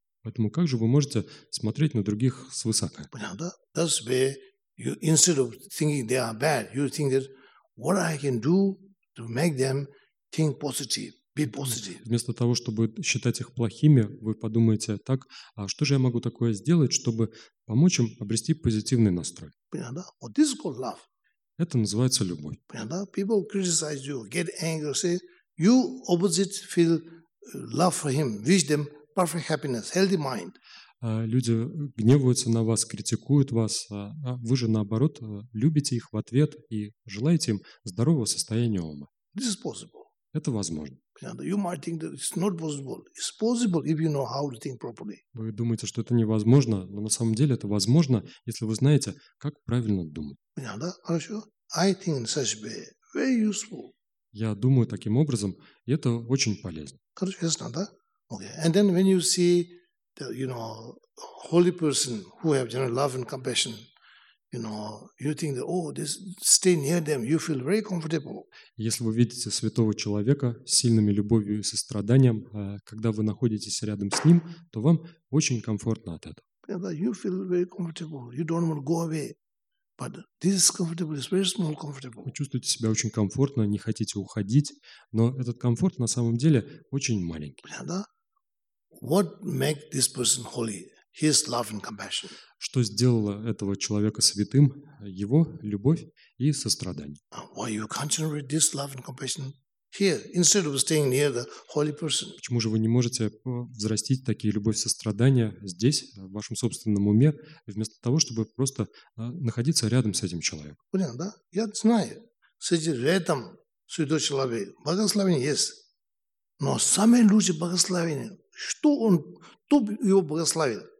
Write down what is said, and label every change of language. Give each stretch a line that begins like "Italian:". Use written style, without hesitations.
Russian: Поэтому как же вы можете смотреть на других свысока?
English: That's where you, instead of thinking they are bad, you think that what I can do to make them think positive. Be positive.
Russian: Вместо того, чтобы считать их плохими, вы подумаете так, а что же я могу такое сделать, чтобы помочь им обрести позитивный настрой? Понятно? Вот
English: this is called love.
Russian: Это называется любовь. Понятно?
English: People criticize you, get angry, say, you opposite feel love for him, wish them perfect happiness, healthy mind.
Russian: Люди гневаются на вас, критикуют вас, а вы же наоборот любите их в ответ и желаете им здорового состояния ума.
English: This is possible.
Russian: Это возможно.
English: You might think that it's not possible. It's possible if you know how to think properly.
Russian: Вы думаете, что это невозможно, но на самом деле это возможно, если вы знаете, как правильно думать. Понятно? Хорошо.
English: I think in such way very useful.
Russian: Я думаю таким образом, и это очень полезно. Хорошо, ясно, да?
English: Okay. And then when you see the, you know, holy person who have general love and compassion, you know, you think that, oh, this, stay near them, you feel very comfortable.
Russian: Если вы видите святого человека с сильными любовью и состраданием, когда вы находитесь рядом с ним, то вам очень комфортно от этого.
English: Yeah, you feel very comfortable. You don't want to go away. But this is comfortable. It's very small comfortable.
Russian: Вы чувствуете себя очень комфортно, не хотите уходить, но этот комфорт на самом деле очень маленький.
English: Yeah, what makes this person holy? His love and compassion.
Russian: Что сделало этого человека святым? Его любовь и сострадание.
English: Why you concentrate this love and compassion here instead of staying near the holy person?
Russian: Почему же вы не можете взрастить такие любовь и сострадания здесь, в вашем собственном уме, вместо того, чтобы просто находиться рядом с этим человеком? Понятно, да? Я знаю. Среди рядом святой человек благословение есть. Но самые лучшие благословения, что он, кто его благословил?